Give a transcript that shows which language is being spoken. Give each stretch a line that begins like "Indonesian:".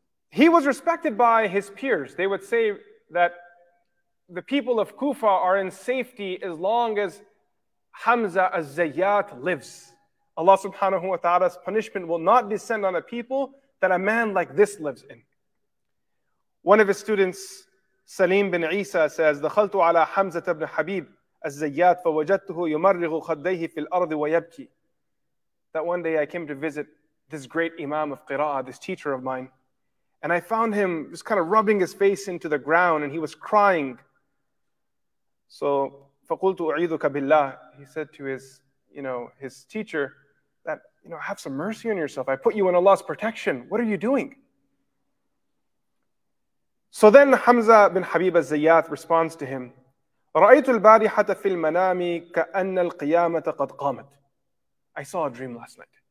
English: He was respected by his peers. They would say that the people of Kufa are in safety as long as Hamza al-Zayyat lives. Allah subhanahu wa ta'ala's punishment will not descend on a people that a man like this lives in. One of his students, Salim bin Isa, says,
Arabic: دَخَلْتُ عَلَى حَمْزَةَ بْنِ حَبِيبِ الزَّيَّاتِ فَوَجَدْتُهُ يُمَرِّغُ خَدَّيْهِ فِي الْأَرْضِ وَيَبْكِ.
English: That one day I came to visit this great imam of qira'ah, this teacher of mine, and I found him just kind of rubbing his face into the ground, and he was crying. So,
Arabic: فَقُلْتُ أُعِيذُكَ بِاللَّهِ.
English: He said to his teacher, that, have some mercy on yourself. I put you in Allah's protection. What are you doing? So then Hamza bin Habib al-Zayyat responds to him,
Arabic: رَأَيْتُ الْبَارِحَةَ فِي الْمَنَامِ كَأَنَّ الْقِيَامَةَ قَدْ قَامَتْ.
English: I saw a dream last night.